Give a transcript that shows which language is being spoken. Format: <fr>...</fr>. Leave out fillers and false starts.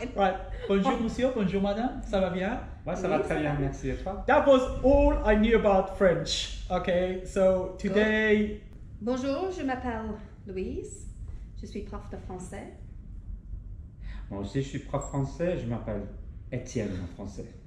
<en>Right,</en> <fr>bonjour monsieur, bonjour madame, ça va bien? Ouais, ça va très bien, merci, et toi?</fr> <en>That was all I knew about French, okay, so today... Good.</en> <fr>Bonjour, je m'appelle Louise, je suis prof de français. Moi aussi je suis prof français, je m'appelle Étienne en français.</fr>